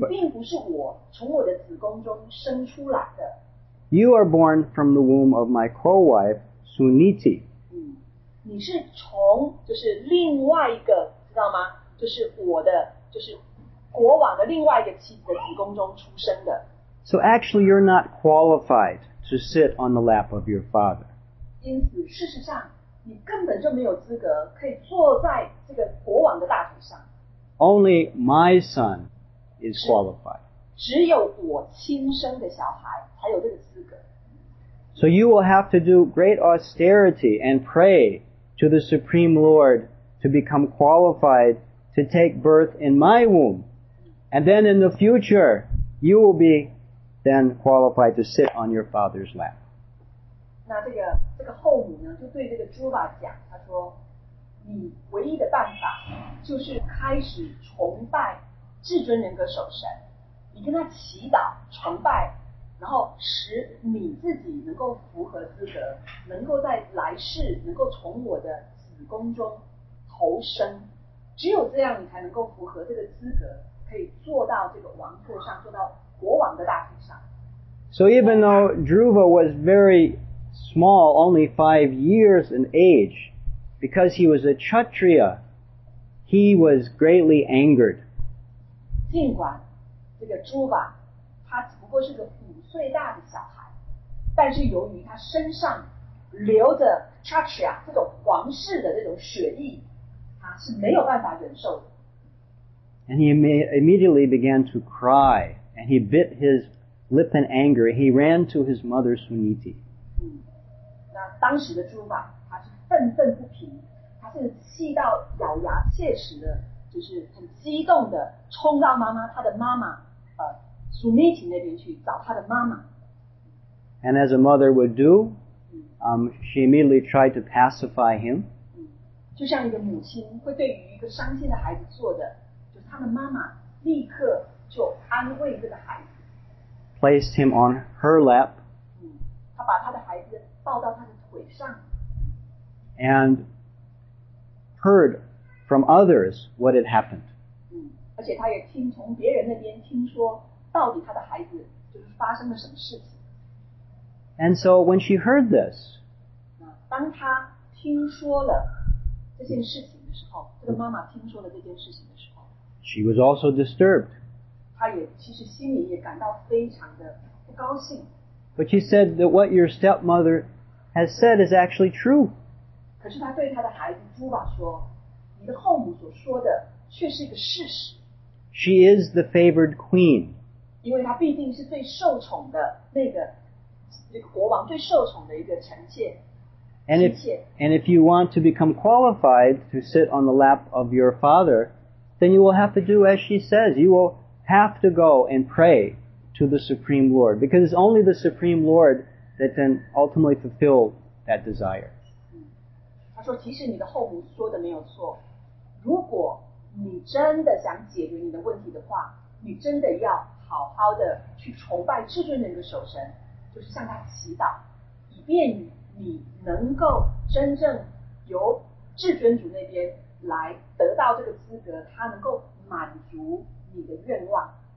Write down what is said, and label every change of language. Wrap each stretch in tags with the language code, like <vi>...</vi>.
<zh>他说,他对这个孩子讲,对朱瓦讲说,你恐怕不太了解情况吧,你并不是我从我的子宫中生出来的。</zh> <en>You are born from the womb of my co-wife, Suniti.</en> <zh>你是从,就是另外一个,知道吗?就是我的,就是国王的另外一个妻子的子宫中出生的。</zh> <en>So actually, you're not qualified to sit on the lap of your father.</en> <zh>因此事实上你根本就没有资格可以坐在这个国王的大腿上。</zh> <en>Only my son is qualified.</en> <zh>只有我亲生的小孩才有这个资格。</zh> <en>So you will have to do great austerity and pray to the Supreme Lord to become qualified to take birth in my womb. And then in the future, you will be then qualified to sit on your father's lap.</en> <zh>那这个后母呢，就对这个朱爸讲，他说，你唯一的办法就是开始崇拜至尊人格守神，你跟他祈祷崇拜，然后使你自己能够符合资格，能够在来世能够从我的子宫中投生，只有这样你才能够符合这个资格，可以坐到这个王座上，坐到国王的大腿上。</zh> <en>So even though Dhruva was very small, only 5 years in age, because he was a Kshatriya, he was greatly angered.</en> <zh>尽管这个朱吧，他只不过是个五岁大的小孩，但是由于他身上流着 Kshatriya 这种皇室的这种血液，他是没有办法忍受的。</zh> <en>And he immediately began to cry, and he bit his lip in anger. He ran to his mother Suniti.</en> <zh>那当时的朱吧，他是愤愤不平，他是气到咬牙切齿的，就是很激动的冲到妈妈，他的妈妈，Suniti 那边去找他的妈妈。</zh> <en>And as a mother would do, she immediately tried to pacify him.</en> <zh>就像一个母亲会对于一个伤心的孩子做的，就是他的妈妈立刻就安慰这个孩子。</zh> <en>Placed him on her lap.</en> <zh>他把他的孩子抱到他的腿上。</zh> <en>And heard from others what had happened.</en> <zh>而且他也听从别人那边听说到底他的孩子就是发生了什么事情。</zh> <en>And so when she heard this,</en> <zh>当他听说了这件事情的时候，这个妈妈听说了这件事情的时候，</zh> <en>she was also disturbed.</en> <zh>她也其实心里也感到非常的不高兴。</zh> <en>But she said that what your stepmother has said is actually true.</en> <zh>可是她对她的孩子朱爸说，你的后母所说的却是一个事实。</zh> <en>She is the favored queen.</en> <zh>因为她毕竟是最受宠的那个，这个国王最受宠的一个臣妾。</zh> <en>And if you want to become qualified to sit on the lap of your father, then you will have to do as she says. You will have to go and pray to the Supreme Lord, because it's only the Supreme Lord that can ultimately fulfill that desire.</en> <zh>他说，其实你的后母说的没有错。如果你真的想解决你的问题的话，你真的要好好的去崇拜至尊人的守神，就是向他祈祷，以便你能够真正由至尊主那边来得到这个资格，他能够满足你的愿望。</zh>